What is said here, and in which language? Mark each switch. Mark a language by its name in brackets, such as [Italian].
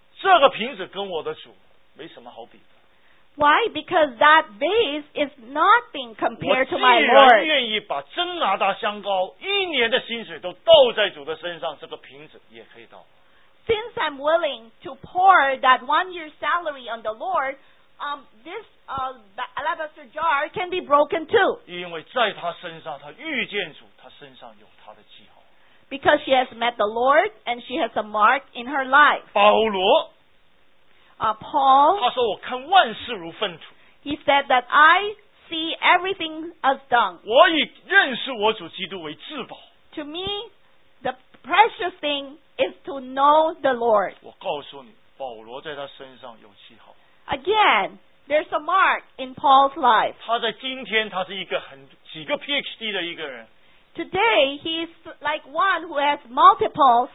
[Chinese] 这个瓶子跟我的主没什么好比的。 [English] Why? Because that vase is nothing compared to my Lord. [Chinese] 我既然愿意把真拿达香膏一年的薪水都倒在主的身上，这个瓶子也可以倒。 [English] Since I'm willing to pour that one year's salary on the Lord, this alabaster jar can be broken too. [Chinese] 因为在他身上，他遇见主，他身上有他的记号。 [English] Because she has met the Lord and she has a mark in her life. [Chinese] 保罗 [English] Paul [Chinese] 他说我看万事如粪土。 [English] He said that I see everything as dung. [Chinese] 我以认识我主基督为至宝。 [English] To me, the precious thing is to know the Lord. [Chinese] 我告诉你，保罗在他身上有记号。 [English] Again, there's a mark in Paul's life. [Chinese] 他在今天他是一个很几个 PhD 的一个人。 [English] Today, he's like one who has multiple